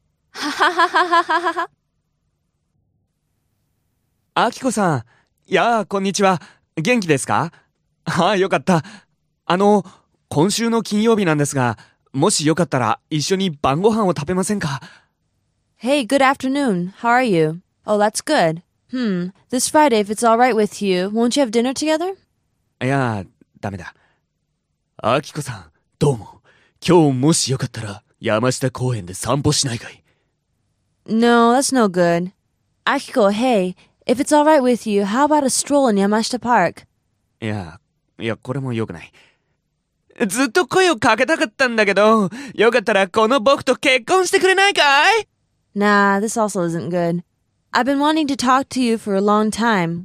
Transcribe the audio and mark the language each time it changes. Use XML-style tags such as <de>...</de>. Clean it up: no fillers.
<ja>はははははは。あきこさん、やあ、こんにちは。元気ですか？ああ、よかった。今週の金曜日なんですが、もしよかったら一緒に晩ご飯を食べませんか？</ja> <en>Hey, good afternoon. How are you? Oh, that's good. This Friday, if it's all right with you, won't you have dinner together?</en> <ja>いや、ダメだ。あきこさん、どうも。今日もしよかったら山下公園で散歩しないかい？</ja> <en>No, that's no good. Akiko, hey, if it's all right with you, how about a stroll in Yamashita Park?</en> <ja>いや、これもよくない。ずっと声をかけたかったんだけど、よかったらこの僕と結婚してくれないかい？</ja> <en>Nah, this also isn't good. I've been wanting to talk to you for a long time.</en>